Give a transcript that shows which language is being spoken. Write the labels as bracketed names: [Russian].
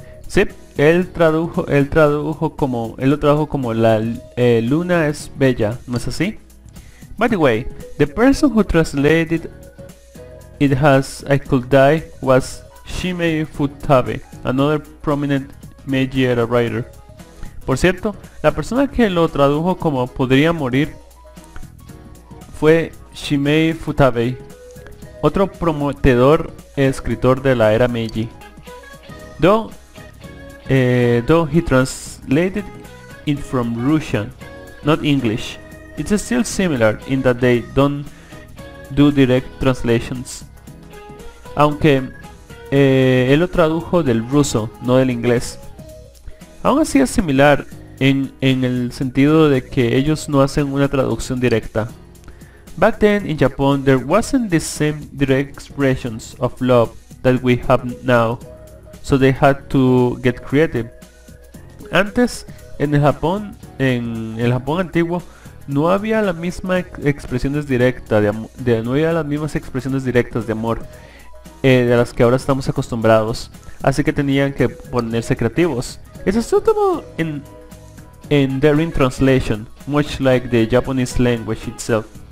[Spanish] Sí, él lo tradujo como la luna es bella, ¿no es así? [English] By the way, the person who translated it as I could die was Shimei Futabe, another prominent Meiji era writer. [Spanish] Por cierto, la persona que lo tradujo como podría morir fue Shimei Futabe, otro prometedor escritor de la era Meiji. [English] Though he translated it from Russian, not English. It's still similar in that they don't do direct translations. [Spanish] Aunque él lo tradujo del ruso, no del inglés. Aún así es similar en el sentido de que ellos no hacen una traducción directa. [English] Back then in Japan there wasn't the same direct expressions of love that we have now, so they had to get creative. [Spanish] Antes, en el Japón antiguo, no había las mismas expresiones directas de amor de las que ahora estamos acostumbrados, así que tenían que ponerse creativos. [English] Es asunto en daring translation, much like the Japanese language itself.